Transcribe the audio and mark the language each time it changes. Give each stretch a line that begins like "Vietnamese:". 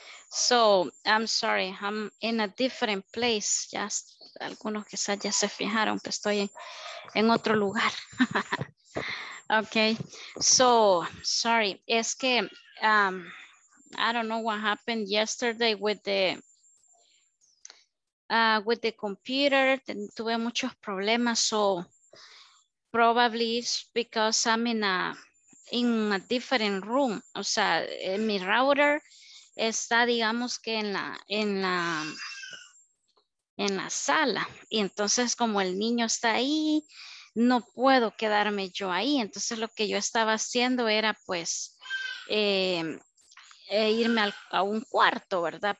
English: So, I'm sorry, I'm in a different place.
Spanish: Just, algunos quizás ya se fijaron, pero estoy en otro lugar.
English: Okay, so, sorry,
Spanish: es que,
English: I don't know what happened yesterday with the computer.
Spanish: Tuve muchos problemas,
English: so, probably it's because I'm in a different room.
Spanish: O sea, en mi router, está, digamos que en la sala, y entonces como el niño está ahí, no puedo quedarme yo ahí. Entonces lo que yo estaba haciendo era pues irme a un cuarto, ¿verdad?